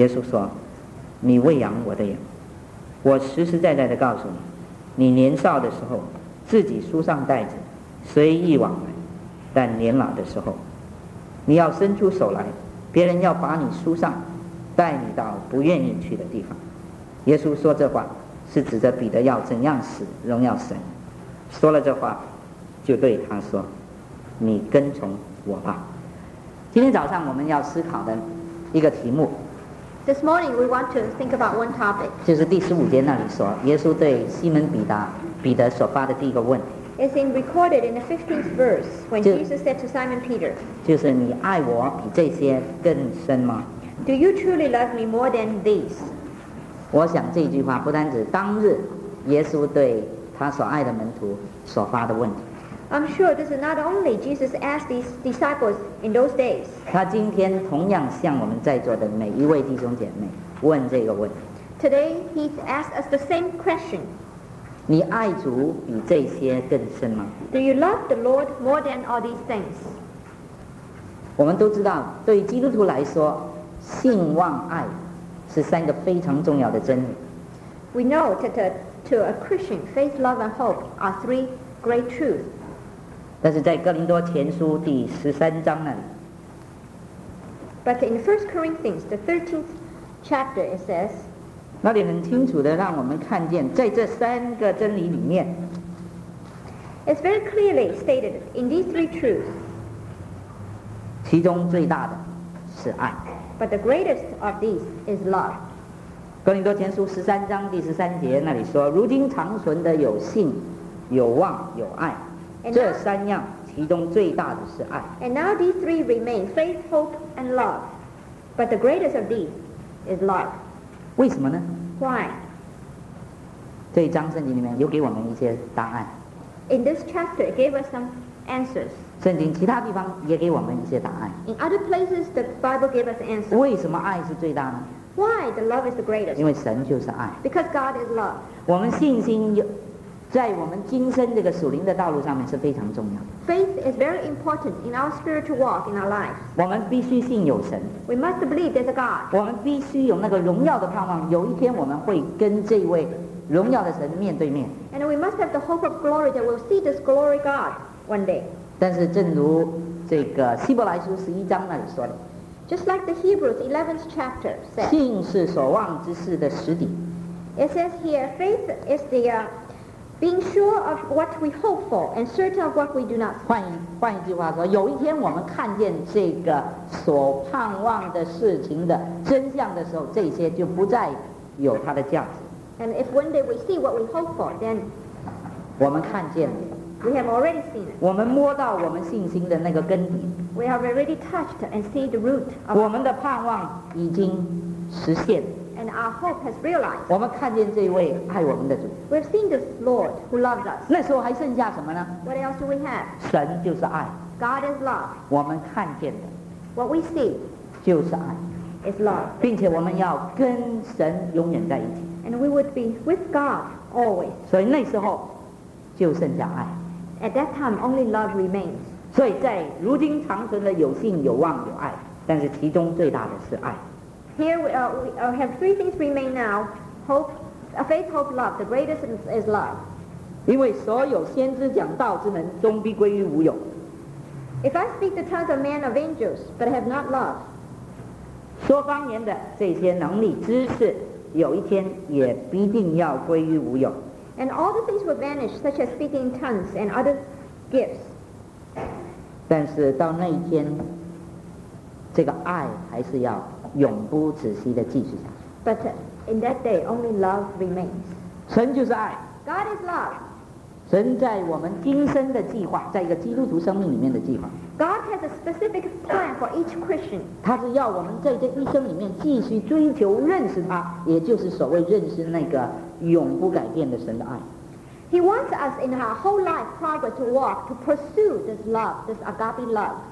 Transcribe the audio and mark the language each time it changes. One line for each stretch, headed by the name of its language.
Chinese: 耶稣说：“你喂养我的羊，我实实在在地告诉你，你年少的时候自己梳上带子随意往来，但年老的时候你要伸出手来，别人要把你梳上，带你到不愿意去的地方。” 耶稣说这话是指着彼得要怎样死荣耀神。说了这话就对他说：“你跟从我吧。” 今天早上我们要思考的一个题目，
English: This morning we want to think about one topic，
Chinese: 就是第十五节那里说耶稣对西门彼得所发的第一个问题。
English: It's recorded in the 15th verse when Jesus said to Simon Peter，
Chinese: 就是你爱我比这些更深吗？
English: Do you truly love me more than this?
Chinese: 我想这句话不单指当日耶稣对他所爱的门徒所发的问题。
English: I'm sure this is not only Jesus asked these disciples in those days.
Chinese: 他今天同样向我们在座的每一位弟兄姐妹问这个问题。
English: Today he asked us the same question.
Chinese: 你爱主比这些更深吗？
English: Do you love the Lord more than all these things?
Chinese: 我们都知道，对基督徒来说，信望爱是三个非常重要的真理。
English: We know that to a Christian, faith, love, and hope are three great truths.
Chinese: 但是在哥林多前书第十三章那里。
English: But in 1 Corinthians, the 13th chapter, it says,
Chinese: 那里很清楚地让我们看见，在这三个真理里面。
English: It's very clearly stated in these three truths.
Chinese: 其中最大的是爱。
English: But the greatest of these is love.
Chinese: 哥林多前书十三章第十三节那里说，如今长存的有信、有望、有爱，这三样其中最大的是爱。
English: And now these three remain: faith, hope, and love. But the greatest of these is love.
Chinese: 为什么呢？
English: Why?
Chinese: 这一章圣经里面有给我们一些答案。
English: In this chapter, it gave us some answers.
Chinese: 圣经其他地方也给我们一些答案。
English: In other places, the Bible gave us answers.
Chinese: 为什么爱是最大呢？
English: Why the love is the greatest?
Chinese: 因为神就是爱。
English: Because God is love.
Chinese: 我们信心在我们今生这个属灵的道路上面是非常重要的。
English: Faith is very important in our spiritual walk in our life.
Chinese: 我们必须信有神。
English: We must believe there's a God.
Chinese: 我们必须有那个荣耀的盼望，有一天我们会跟这位荣耀的神面对面。
English: And we must have the hope of glory that we'll see this glory God one day.
Chinese: 但是正如这个希伯来书十一章那里说的。
English: Just like the Hebrews 11th chapter says,
Chinese: 信是所望之事的实底。
English: It says here, faith is the being sure of what we hope for and certain of what we do not see.
Chinese: 换一句话说，有一天我们看见这个所盼望的事情的真相的时候，这些就不再有它的价值。
English: And if one day we see what we hope for, then
Chinese: 我们看见了。
English: We have already seen it.
Chinese: 我们摸到我们信心的那个根底。
English: We have already touched and see the root of it.
Chinese: 我们的盼望已经实现。
English: And our hope has realized.
Chinese: 我们看见这位爱我们的主。
English: We've seen this Lord who loves us.
Chinese: 那时候还剩下什么呢？
English: What else do we have?
Chinese: 神就是爱。
English: God is love.
Chinese: 我们看见的。
English: What we see.
Chinese: 就是爱。
English: Is love.
Chinese: 并且我们要跟神永远在一起。
English: And we would be with God always.
Chinese: 所以那时候就剩下爱。
English: At that time, only love remains.
Chinese: 所以在如今长存的有信、有望、有爱，但是其中最大的是爱。
English: Here we have three things remain now: hope, faith, hope, love. The greatest is love.
Chinese: 因为所有先知讲道之人，终必归于无有。
English: If I speak the tongues of men of angels, but have not love,
Chinese: 说方言的这些能力、知识，有一天也必定要归于无有。
English: And all the things will vanish, such as speaking tongues and other gifts.
Chinese: 但是到那一天，这个爱还是要永不止息的继续下去。
English: But in that day, only love remains.
Chinese: 神就是爱。
English: God is love.
Chinese: 神在我们今生的计划，在一个基督徒生命里面的计划。
English: God has a specific plan for each Christian.
Chinese: 他是要我们在这一生里面继续追求认识他，也就是所谓认识那个永不改变的神的爱。
English: He wants us in our whole life progress to walk to pursue this love, this agape love.